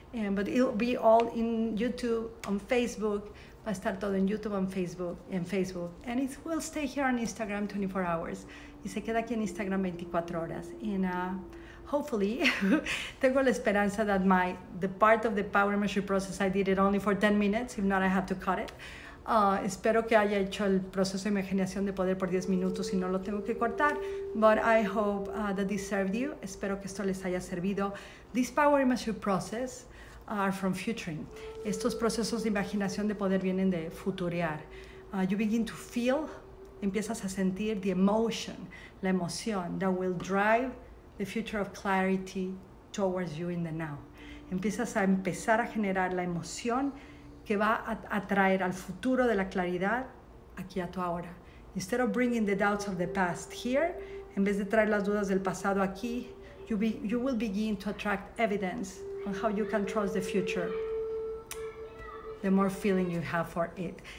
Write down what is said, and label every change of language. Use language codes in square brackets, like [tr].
[en] But it'll be all in YouTube, on Facebook. [es] Va a estar todo en YouTube, [en] on Facebook. And it will stay here on Instagram 24 hours. [es] Y se queda aquí en Instagram 24 horas. [en] And hopefully, [es] tengo la esperanza [en] that the part of the power imagery process, I did it only for 10 minutes. If not, I have to cut it. [es] Espero que haya hecho el proceso de imaginación de poder por 10 minutos y no lo tengo que cortar. [en] But I hope that this served you. [es] Espero que esto les haya servido. [en] This power imagery process are from futuring. [es] Estos procesos de imaginación de poder vienen de futurear. [en] You begin to feel, [es] empiezas a sentir [en] the emotion, [es] la emoción [en] that will drive the future of clarity towards you in the now. [es] Empiezas a empezar a generar la emoción que va a atraer al futuro de la claridad aquí a tu ahora. [en] Instead of bringing the doubts of the past here, [es] en vez de traer las dudas del pasado aquí, [en] you will begin to attract evidence on how you can trust the future, the more feeling you have for it.